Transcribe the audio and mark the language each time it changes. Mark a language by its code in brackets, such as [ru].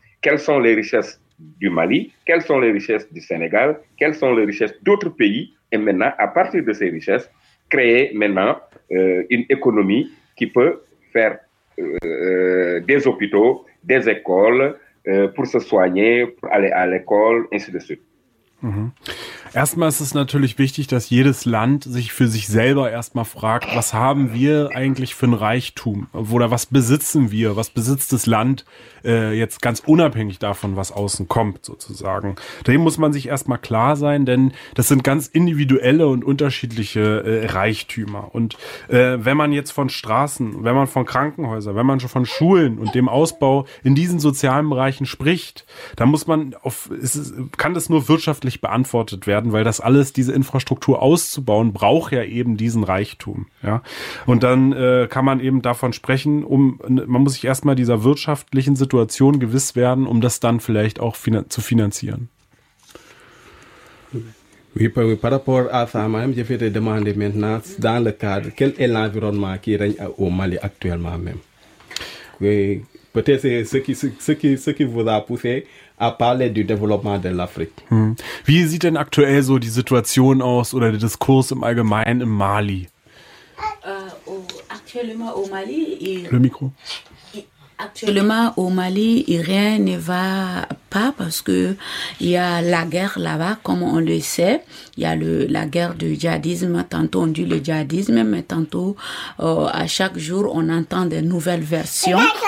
[fr] Quelles sont les richesses du Mali? Quelles sont les richesses du Sénégal? Quelles sont les richesses d'autres pays? Et maintenant, à partir de ces richesses, créer maintenant une économie qui peut faire des hôpitaux, des écoles, pour se soigner, pour aller à l'école, ainsi de suite. Mmh. [de] Erstmal ist es natürlich wichtig, dass jedes Land sich für sich selber erstmal fragt, was haben wir eigentlich für ein Reichtum oder was besitzen wir, was besitzt das Land jetzt ganz unabhängig davon, was außen kommt sozusagen. Dem muss man sich erstmal klar sein, denn das sind ganz individuelle und unterschiedliche Reichtümer. Und wenn man jetzt von Straßen, wenn man von Krankenhäusern, wenn man schon von Schulen und dem Ausbau in diesen sozialen Bereichen spricht, dann muss man kann das nur wirtschaftlich beantwortet werden, weil das alles, diese Infrastruktur auszubauen, braucht ja eben diesen Reichtum. Ja? Und dann kann man eben davon sprechen, man muss sich erstmal dieser wirtschaftlichen Situation gewiss werden, um das dann vielleicht auch zu finanzieren. [fr] Oui, par rapport à ça, même, je vais te demander maintenant, dans le cadre, quel est l'environnement qui règne au Mali actuellement même? Oui, peut-être c'est ce qui vous a poussé à parler du développement de l'Afrique. Hm. [de] Wie sieht denn aktuell so die Situation aus oder der Diskurs im Allgemeinen im Mali? [fr] Actuellement au Mali, le micro. Actuellement au Mali, rien ne va pas parce que il y a la guerre là-bas, comme on le sait. Il y a la guerre du djihadisme. Tantôt on dit le djihadisme, mais tantôt à chaque jour on entend des nouvelles versions.